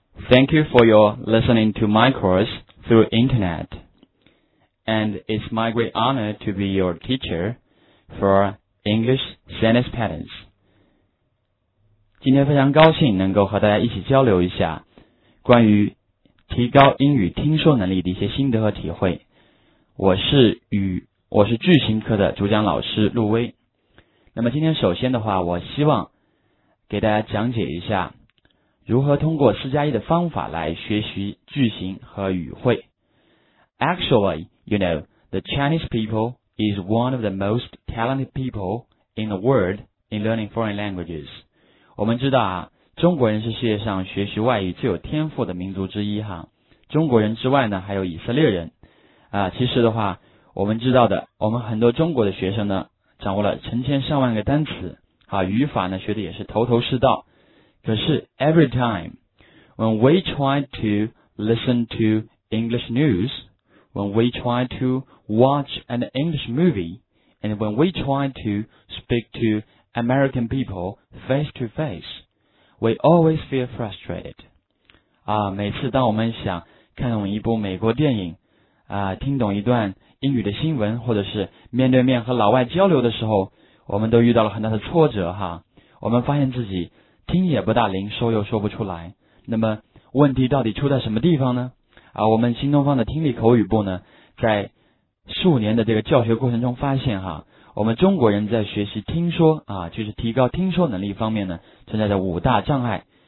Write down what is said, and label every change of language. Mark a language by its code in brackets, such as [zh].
[en] Thank you for your listening to my course through internet. And it's my great honor to be your teacher for English sentence patterns. [zh] 今天非常高兴能够和大家一起交流一下关于提高英语听说能力的一些心得和体会。我是句型课的主讲老师陆威。那么今天首先的话，我希望给大家讲解一下如何通过4+1的方法来学习句型和语汇。 [en] Actually, you know, the Chinese people is one of the most talented people in the world in learning foreign languages. [zh] 我们知道啊，中国人是世界上学习外语最有天赋的民族之一哈。中国人之外呢，还有以色列人。啊，其实的话，我们知道的，我们很多中国的学生呢，掌握了成千上万个单词，啊，语法呢学的也是头头是道。可是 [en] every time when we try to listen to English news, when we try to watch an English movie, and when we try to speak to American people face to face, we always feel frustrated. [zh] 啊，每次当我们想看懂一部美国电影，啊，听懂一段英语的新闻，或者是面对面和老外交流的时候，我们都遇到了很大的挫折哈。我们发现自己听也不大灵，说又说不出来。那么问题到底出在什么地方呢？啊，我们新东方的听力口语部呢，在数年的这个教学过程中发现哈，我们中国人在学习听说啊，就是提高听说能力方面呢，存在着五大障碍。